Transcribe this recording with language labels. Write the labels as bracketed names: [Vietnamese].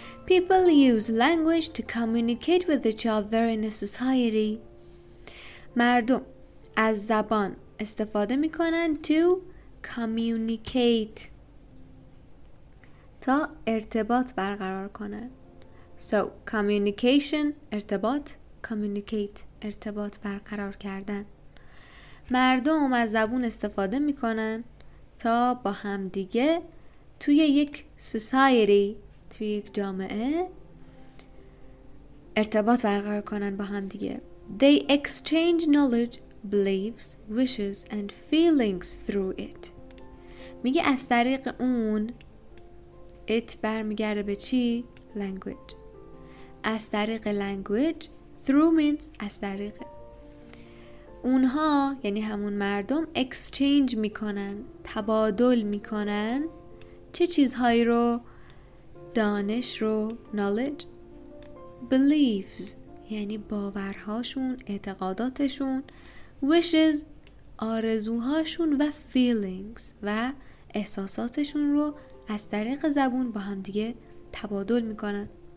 [English] People use language to communicate with each other in a society. [Persian] مردم از زبان استفاده میکنن [English] to communicate، [Persian] تا ارتباط برقرار کنن. [English] So communication [Persian] ارتباط، communicate ارتباط برقرار کردن. مردم از زبان استفاده میکنن تا با هم دیگه توی یک society، توی یک جامعه ارتباط برقرار کنن با هم دیگه. [English] They exchange knowledge, beliefs, wishes and feelings through it. [Persian] میگه از طریق اون، it برمیگرده به چی؟ language. از طریق language، [English] through means [Persian] از طریق. اونها یعنی همون مردم exchange میکنن، تبادل میکنن چه چیزهایی رو؟ دانش رو، knowledge، beliefs یعنی باورهاشون، اعتقاداتشون، wishes آرزوهاشون و feelings و احساساتشون رو از طریق زبون با هم دیگه تبادل میکنن.